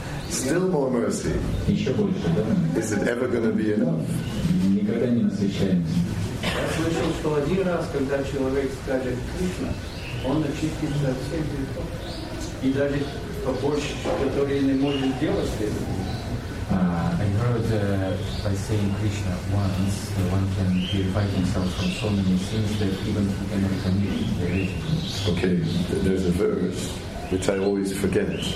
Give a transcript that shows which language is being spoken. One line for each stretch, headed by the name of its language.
English: Still more mercy. Is it ever going to be enough?
Russian: Никогда не насыщаемся. Я слышал, что один раз, когда человек скажет Кришна, он очистится от всех грехов. И даже побольше, которые не может делать следует.
English: I heard by saying Krishna once, one can purify himself from so many sins that even he cannot commit the reason. Okay, there's a verse which I always forget.